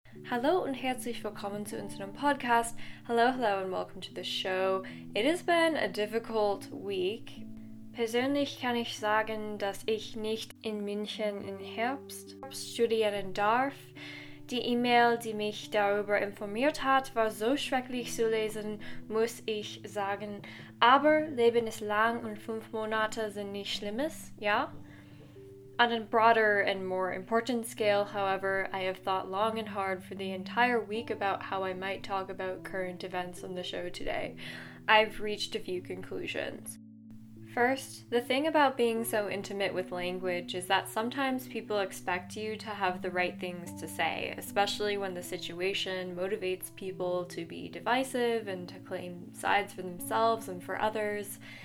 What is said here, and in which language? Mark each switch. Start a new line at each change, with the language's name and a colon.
English: Hello and
German: herzlich willkommen zu unserem Podcast.
English: Hello, hello, and welcome to the show. It has been a difficult week.
German: Persönlich kann ich sagen, dass ich nicht in München im Herbst studieren darf. Die E-Mail, die mich darüber informiert hat, war so schrecklich zu lesen, muss ich sagen. Aber Leben ist lang und 5 Monate sind nicht Schlimmes, ja?
English: On a broader and more important scale, however, I have thought long and hard for the entire week about how I might talk about current events on the show today. I've reached a few conclusions. First, the thing about being so intimate with language is that sometimes people expect you to have the right things to say, especially when the situation motivates people to be divisive and to claim sides for themselves and for others.